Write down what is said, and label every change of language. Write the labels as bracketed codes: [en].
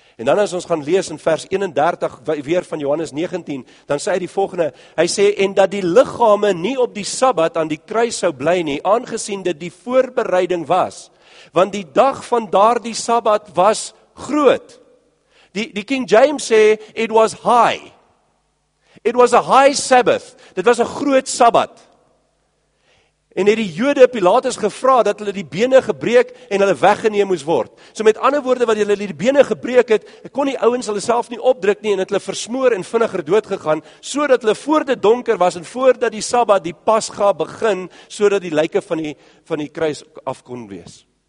[af] En dan as ons gaan lees in vers 31, weer van Johannes 19, dan sê hy die volgende, hy sê, en dat die liggame nie op die Sabbat aan die kruis sou bly nie, aangesien dit die voorbereiding was, want die dag van daar die Sabbat was groot. Die King James sê, [en] it was high. It was a high Sabbath. [af] Dit was 'n groot Sabbat. En het die Jode Pilatus gevra dat hulle die bene gebreek en hulle weggeneem moes word. So met ander woorde, wat hulle die bene gebreek het, kon die ouens hulle self nie opdruk nie, en het hulle versmoor en vinniger dood gegaan, so dat hulle voor dit donker was en voordat die Sabbat die Pasga begin, so dat die lyke van die kruis af kon wees.